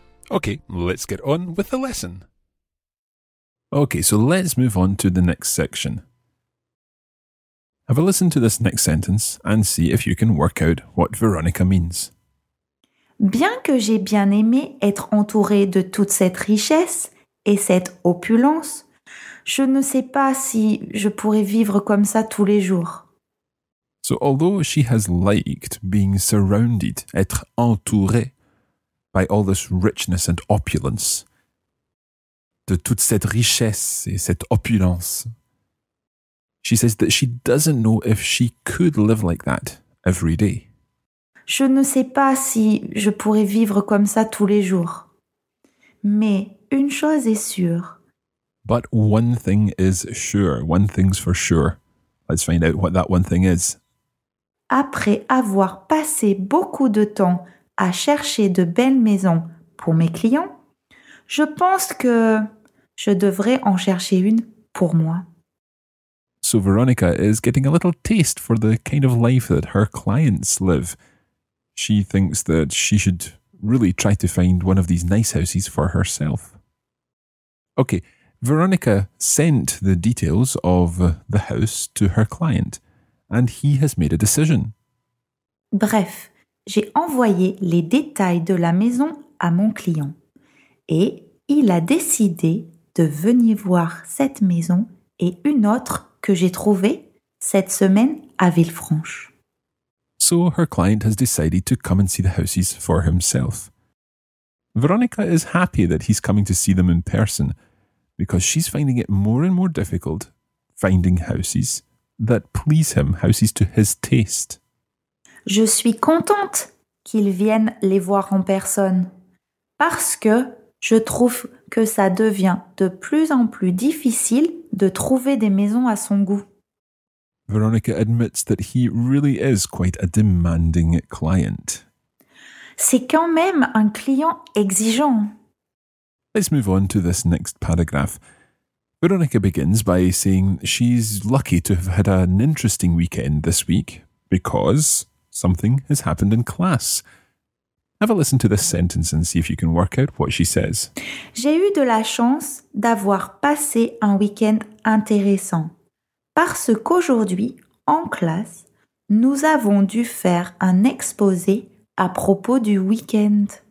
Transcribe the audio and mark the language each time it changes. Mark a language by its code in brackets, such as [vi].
[en] Okay, let's get on with the lesson. Okay, so let's move on to the next section. Have a listen to this next sentence and see if you can work out what Veronica means. [fr] Bien que j'ai bien aimé être entourée de toute cette richesse et cette opulence, je ne sais pas si je pourrais vivre comme ça tous les jours. [en] So although she has liked being surrounded, [fr] être entourée [en] by all this richness and opulence, [fr] de toute cette richesse et cette opulence, [en] she says that she doesn't know if she could live like that every day. [fr] Je ne sais pas si je pourrais vivre comme ça tous les jours. Mais une chose est sûre. [en] But one thing is sure. One thing's for sure. Let's find out what that one thing is. [fr] Après avoir passé beaucoup de temps à chercher de belles maisons pour mes clients, je pense que je devrais en chercher une pour moi. [en] So Veronica is getting a little taste for the kind of life that her clients live. She thinks that she should really try to find one of these nice houses for herself. Okay, Veronica sent the details of the house to her client, and he has made a decision. [fr] Bref, j'ai envoyé les détails de la maison à mon client, et il a décidé de venir voir cette maison et une autre que j'ai trouvée cette semaine à Villefranche. [en] So her client has decided to come and see the houses for himself. Veronica is happy that he's coming to see them in person because she's finding it more and more difficult finding houses that please him, houses to his taste. [fr] Je suis contente qu'il vienne les voir en personne parce que je trouve que ça devient de plus en plus difficile de trouver des maisons à son goût. [en] Veronica admits that he really is quite a demanding client. [fr] C'est quand même un client exigeant. [en] Let's move on to this next paragraph. Veronica begins by saying she's lucky to have had an interesting weekend this week because something has happened in class. Have a listen to this sentence and see if you can work out what she says. [fr] J'ai eu de la chance d'avoir passé un week-end intéressant. Parce qu'aujourd'hui, en classe, nous avons dû faire un exposé à propos du week-end.